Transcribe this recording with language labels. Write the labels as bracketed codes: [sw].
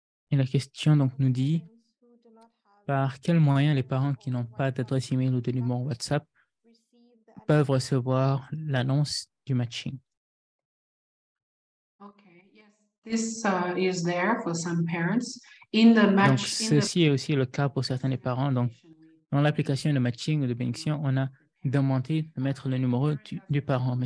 [fr] Et la question donc nous dit, par quel moyen les parents qui n'ont pas d'adresse email ou de numéro WhatsApp peuvent recevoir l'annonce du matching? [en] Okay, yes, this is there for some parents in the match. [fr] Donc ceci est aussi le cas pour certains des parents. Donc dans l'application de matching ou de bénédiction, on a demandé de mettre le numéro du parent.